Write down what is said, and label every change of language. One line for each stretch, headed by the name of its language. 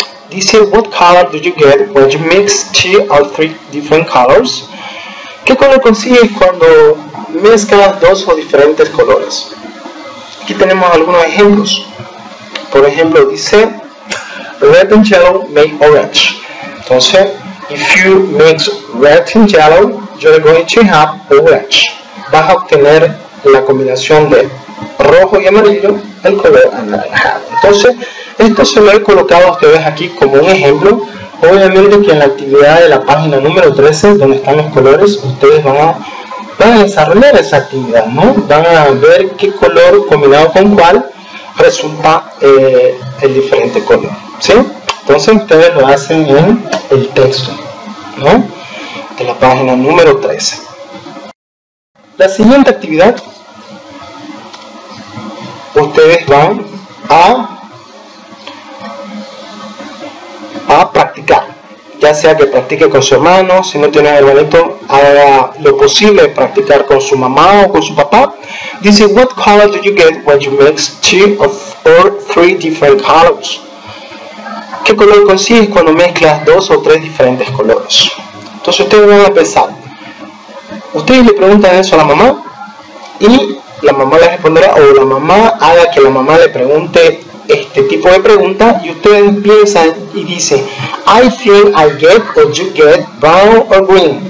English: Dice, what color do you get when you mix two or three different colors?
Spanish: ¿Qué color consigues cuando mezclas dos o diferentes colores? Aquí tenemos algunos ejemplos. Por ejemplo, dice,
English: red and yellow make orange. Entonces, if you mix red and yellow, you're going to have orange.
Spanish: Vas a obtener la combinación de rojo y amarillo, el color anaranjado. Entonces, esto se lo he colocado a ustedes aquí como un ejemplo. Obviamente que en la actividad de la página número 13, donde están los colores, ustedes van a desarrollar esa actividad, ¿no? Van a ver qué color combinado con cuál resulta el diferente color, ¿sí? Entonces ustedes lo hacen en el texto, ¿no? De la página número 13. La siguiente actividad, ustedes van a practicar, ya sea que practique con su hermano, si no tiene hermanito, haga lo posible practicar con su mamá o con su papá.
English: Dice, what color do you get when you mix two or three different colors?
Spanish: ¿Qué color consigues cuando mezclas dos o tres diferentes colores? Entonces ustedes van a pensar, ustedes le preguntan eso a la mamá y la mamá le responderá, o la mamá haga que la mamá le pregunte este tipo de pregunta, y ustedes piensan y dicen,
English: I think I get or you get brown or green.